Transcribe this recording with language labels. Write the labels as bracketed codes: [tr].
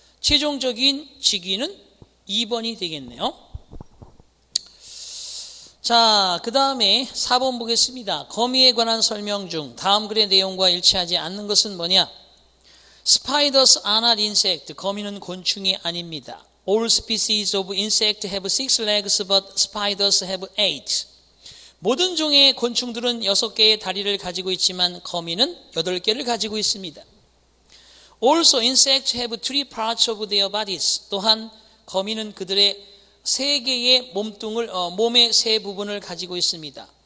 [ko] 최종적인 직위는 2번이 되겠네요. 자, 그 다음에 4번 보겠습니다. 거미에 관한 설명 중 다음 글의 내용과 일치하지 않는 것은 뭐냐? [en] Spiders are not insects. [ko] 거미는 곤충이 아닙니다. [en] All species of insects have 6 legs, but spiders have 8. [ko] 모든 종의 곤충들은 6개의 다리를 가지고 있지만 거미는 8개를 가지고 있습니다. [en] Also, insects have 3 parts of their bodies. [ko] 또한 거미는 그들의 3개의 몸뚱을, 몸의 세 부분을 가지고 있습니다.